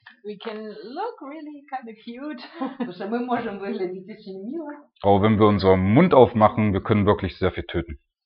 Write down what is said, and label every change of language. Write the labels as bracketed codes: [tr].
[en] We can look really kind of cute. [ru] Потому что мы можем выглядеть очень мило. [de] Aber wenn wir unseren Mund aufmachen, wir können wirklich sehr viel töten.